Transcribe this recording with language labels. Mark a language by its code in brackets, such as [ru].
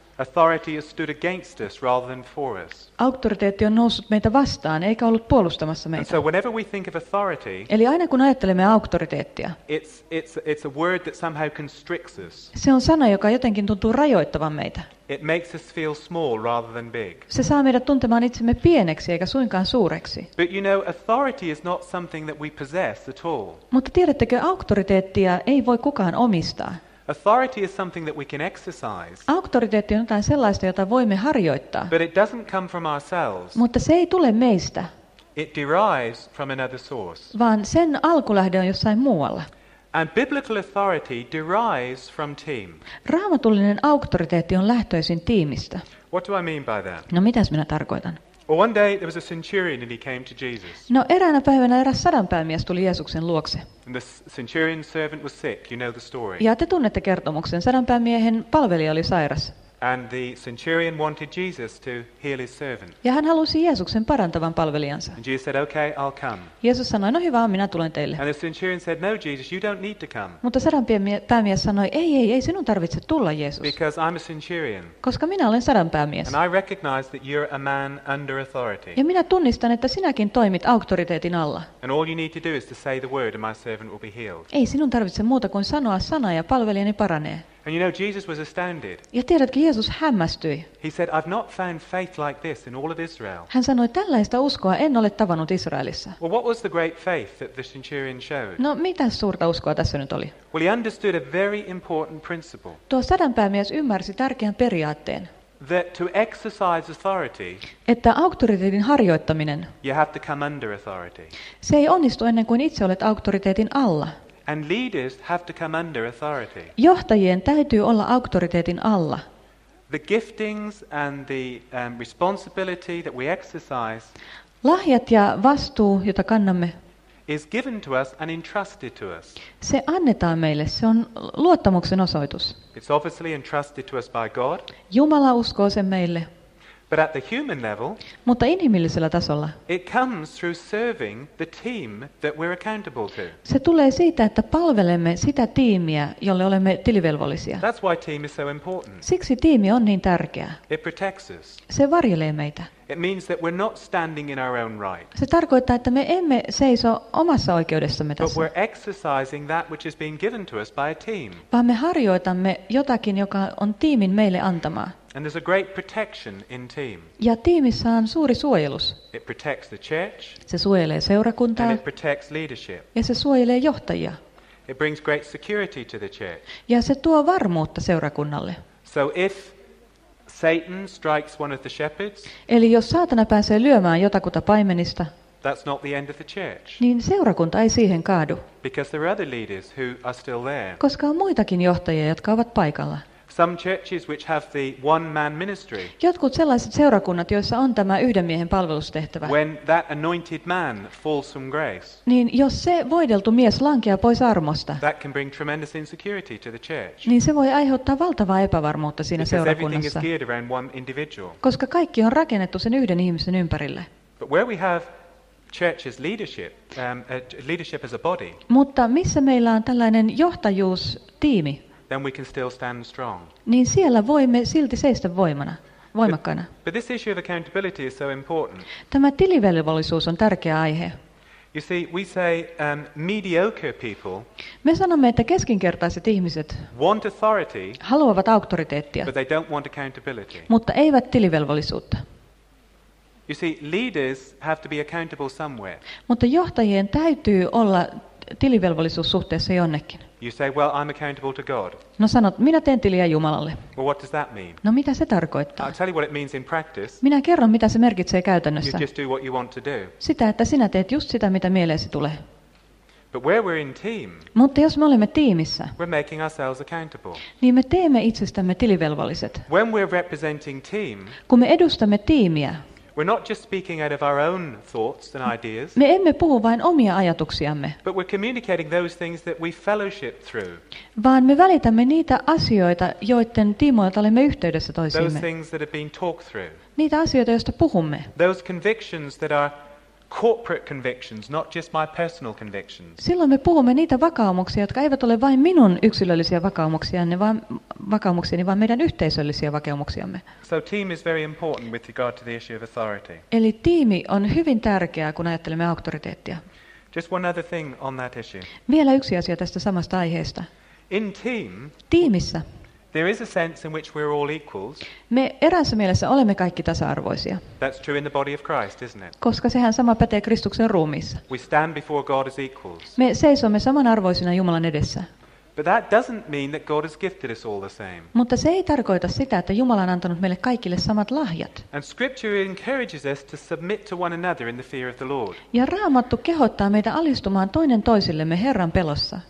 [en] Authority has stood against us rather than for us. [fi] Auktoriteetti on noussut meitä vastaan eikä ollut puolustamassa meitä. [en] And so whenever we think of authority, [fi] eli aina kun ajattelemme auktoriteettia, [en] it's a word that somehow constricts us. [fi] Se on sana, joka jotenkin tuntuu rajoittavan meitä. [en] It makes us feel small rather than big. [fi] Se saa meidät tuntemaan itsemme pieneksi eikä suinkaan suureksi. [en] But you know, authority is not something that we possess at all. [fi] Mutta tiedättekö, auktoriteettia ei voi kukaan omistaa. [en] Authority is something that we can exercise. [fi] Auktoriteetti on jotain sellaista, jota voimme harjoittaa. [en] But it doesn't come from ourselves. [fi] Mutta se ei tule meistä. [en] It derives from another source. [fi] Vaan sen alkulähde on jossain muualla. [en] And biblical authority derives from team. [fi] Raamatullinen auktoriteetti on lähtöisin tiimistä. [en] What do I mean by that? [fi] No mitäs minä tarkoitan? [en] Well, one day there was a centurion and he came to Jesus. [fi] No eräänä päivänä eräs sadanpäämies tuli Jeesuksen luokse. [en] And the centurion's servant was sick. You know the story. [fi] Ja te tunnette kertomuksen. Sadanpäämiehen palvelija oli sairas. [en] And the centurion wanted Jesus to heal his servant. [fi] Ja hän halusi Jeesuksen parantavan palvelijansa. [en] And Jesus said, "Okay, I'll come." [fi] Jeesus sanoi, "No hyvä, minä tulen teille." [en] And the centurion said, "No, Jesus, you don't need to come." [fi] Mutta sadanpäämies sanoi, "Ei, sinun tarvitse tulla, Jeesus." [en] Because I'm a centurion. [fi] Koska minä olen sadanpäämies. [en] And I recognize that you're a man under authority. [fi] Ja minä tunnistan, että sinäkin toimit auktoriteetin alla. [en] And all you need to do is to say the word and my servant will be healed. [fi] Ei sinun tarvitse muuta kuin sanoa sana ja palvelijani paranee. [en] And you know, Jesus was astounded. [fi] Ja tiedätkö, Jeesus hämmästyi. [en] He said, "I've not found faith like this in all of Israel." [fi] Hän sanoi, tällaista uskoa en ole tavannut Israelissa. [en] Well, what was the great faith that the centurion showed? [fi] No, mitä suurta uskoa tässä nyt oli? [en] Well, he understood a very important principle. [fi] Tuo sadanpäämies ymmärsi tärkeän periaatteen. [en] That to exercise authority, [fi] että auktoriteetin harjoittaminen, [en] you have to come under authority. [fi] Se ei onnistu ennen kuin itse olet auktoriteetin alla. [en] And leaders have to come under authority. [fi] Johtajien täytyy olla auktoriteetin alla. [en] The giftings and the responsibility that we exercise, [fi] lahjat ja vastuu, jota kannamme, [en] is given to us and entrusted to us. [fi] Se annetaan meille, se on luottamuksen osoitus. [en] It's obviously entrusted to us by God. [fi] Jumala uskoo sen meille. [en] But at the human level, [fi] mutta inhimillisellä tasolla, [en] it comes through serving the team that we're accountable to. [fi] Se tulee siitä, että palvelemme sitä tiimiä, jolle olemme tilivelvollisia. [en] That's why team is so important. [fi] Siksi tiimi on niin tärkeä. [en] It protects us. [fi] Se varjelee meitä. [en] It means that we're not standing in our own right. [fi] Se tarkoittaa, että me emme seiso omassa oikeudessamme tässä. [en] But we're exercising that which has been given to us by a team. [fi] Vaan me harjoitamme jotakin, joka on tiimin meille antamaa. [en] And there's a great protection in team. [fi] Ja tiimissä on suuri suojelus. [en] It protects the church. [fi] Se suojelee seurakuntaa. [en] And it protects leadership. [fi] Ja se suojelee johtajia. [en] It brings great security to the church. [fi] Ja se tuo varmuutta seurakunnalle. [en] So if Satan strikes one of the shepherds, [fi] eli jos saatana pääsee lyömään jotakuta paimenista, [en] that's not the end of the church. [fi] Niin seurakunta ei siihen kaadu. [en] Because there are other leaders who are still there. [fi] Koska on muitakin johtajia, jotka ovat paikalla. [en] Some churches which have the one man ministry. [fi] Jotkut sellaiset seurakunnat, joissa on tämä yhden miehen palvelustehtävä. [en] When that anointed man falls from grace. [fi] Niin jos se voideltu mies lankeaa pois armosta. [en] That can bring tremendous insecurity to the church. [fi] Niin se voi aiheuttaa valtavaa epävarmuutta siinä seurakunnassa. [en] Because everything is geared around one individual. [fi] Koska kaikki on rakennettu sen yhden ihmisen ympärille. [en] But where we have church's leadership, leadership as a body. [fi] Mutta missä meillä on tällainen johtajuustiimi? [en] Then we can still stand strong. [fi] Niin siellä voimme silti seistä voimana, voimakkaana. [en] But this issue of accountability is so important. [fi] Tämä tilivelvollisuus on tärkeä aihe. [en] You see, we say mediocre people. [fi] Me sanomme, että keskinkertaiset ihmiset [en] want authority, [fi] haluavat auktoriteettia, [en] but they don't want accountability. [fi] Mutta eivät tilivelvollisuutta. [en] You see, leaders have to be accountable somewhere. [fi] Mutta johtajien täytyy olla tilivelvollisuus suhteessa jonnekin. [en] You say, well, I'm accountable to God. [fi] No sanot, minä teen tiliä Jumalalle. [en] Well, what does that mean? [fi] No mitä se tarkoittaa? [en] I'll tell you what it means in practice. [fi] Minä kerron, mitä se merkitsee käytännössä. [en] You just do what you want to do. [fi] Sitä, että sinä teet just sitä, mitä mieleesi tulee. [en] But where we're in team, [fi] mutta jos me olemme tiimissä, [en] we're making ourselves accountable. [fi] Niin me teemme itsestämme tilivelvolliset. [en] When we're representing team, [fi] kun me edustamme tiimiä, [en] we're not just speaking out of our own thoughts and ideas. [fi] Me emme puhu vain omia ajatuksiamme. [en] But we're communicating those things that we fellowship through. [fi] Vaan me välitämme niitä asioita, joiden tiimoilta olemme yhteydessä toisiimme. [en] Those things that have been talked through. [fi] Niitä asioita, joista puhumme. [en] Those convictions that are corporate convictions, not just my personal convictions. [fi] Silloin me puhumme niitä vakaumuksia, jotka eivät ole vain minun yksilöllisiä vakaumuksiani, vaan meidän yhteisöllisiä vakaumuksiamme. [en] So team is very important with regard to the issue of authority. [fi] Eli tiimi on hyvin tärkeää, kun ajattelemme auktoriteettia. [en] Just one other thing on that issue. [fi] Vielä yksi asia tästä samasta aiheesta. [en] In team, [fi] tiimissä, [en] there is a sense in which we're all equals. [fi] Me eräässä mielessä olemme kaikki tasa-arvoisia. [en] That's true in the body of Christ, isn't it? [fi] Koska sehän sama pätee Kristuksen ruumiissa. [en] We stand before God as equals. [fi] Me seisomme samanarvoisina Jumalan edessä. [en] But that doesn't mean that God has gifted us all the same. [fi] Mutta se ei tarkoita sitä, että Jumala on antanut meille kaikille samat lahjat. [en] And scripture encourages us to submit to one another in the fear of the Lord. [fi] Ja Raamattu kehottaa meitä alistumaan toinen toisillemme Herran pelossa.